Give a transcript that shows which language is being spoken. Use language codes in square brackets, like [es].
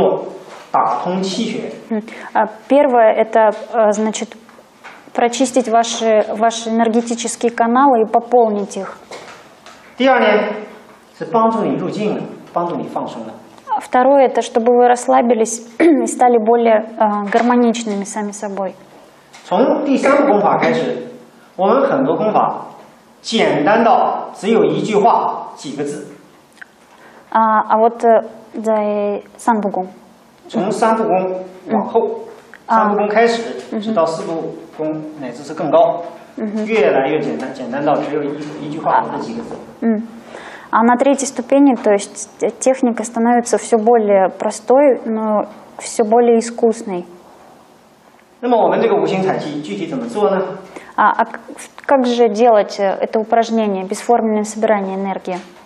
[zh] 第一个，帮助你疏通经络，打通气血。 [ru] Первое, это значит прочистить ваши энергетические каналы и пополнить их. [zh] 第二呢，是帮助你入静了，帮助你放松了。 [ru] Второе, это чтобы вы расслабились и стали более гармоничными сами собой. [zh] 从第三步功法开始，我们很多功法简单到只有一句话，几个字。 А вот дай санбугун. 从三步功往后。三步功开始，直到四步功，乃至是更高，越来越简单，简单到只有一句话或者几个字。 [ru] А на третьей ступени, то есть техника становится все более простой, но все более искусной. [zh] 那么我们这个无形采气具体怎么做呢？ [ru] А как же делать это упражнение, бесформенное собирание энергии?